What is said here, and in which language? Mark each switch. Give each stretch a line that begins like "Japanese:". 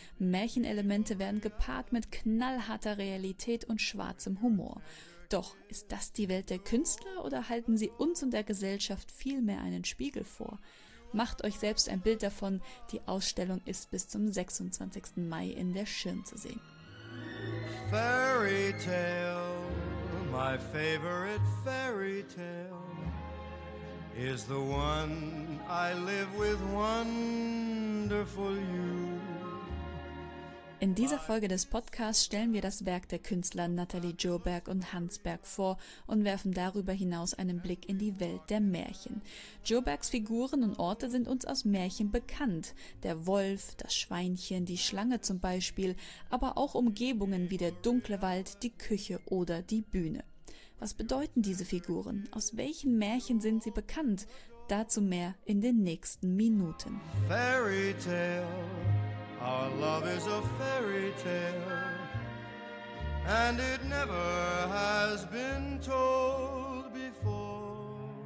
German: Märchenelemente werden gepaart mit knallharter Realität und schwarzem Humor. Doch ist das die Welt der Künstler oder halten sie uns und der Gesellschaft vielmehr einen Spiegel vor? Macht euch selbst ein Bild davon, die Ausstellung ist bis zum 26. Mai in der Schirn zu sehen.
English: Fairy tale, my favorite fairy tale, is the one I live with wonderful you.
German: In dieser Folge des Podcasts stellen wir das Werk der Künstler Nathalie Joberg und Hans Berg vor und werfen darüber hinaus einen Blick in die Welt der Märchen. Jobergs Figuren und Orte sind uns aus Märchen bekannt. Der Wolf, das Schweinchen, die Schlange zum Beispiel, aber auch Umgebungen wie der dunkle Wald, die Küche oder die Bühne. Was bedeuten diese Figuren? Aus welchen Märchen sind sie bekannt? Dazu mehr in den nächsten Minuten.
English: Fairy Tale. Our love is a fairy tale, and it never has been told before.